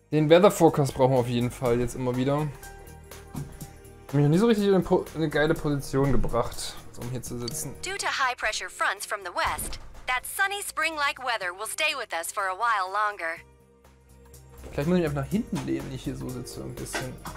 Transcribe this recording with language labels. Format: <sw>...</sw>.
<de>Den Weather Forecast brauchen wir auf jeden Fall jetzt immer wieder. Ich habe mich nie so richtig in eine geile Position gebracht, um hier zu sitzen.</de> <en>Due to high pressure fronts from the west, that sunny spring-like weather will stay with us for a while longer.</en> <de>Vielleicht muss ich mich einfach nach hinten lehnen, wenn ich hier so sitze, ein bisschen.</de>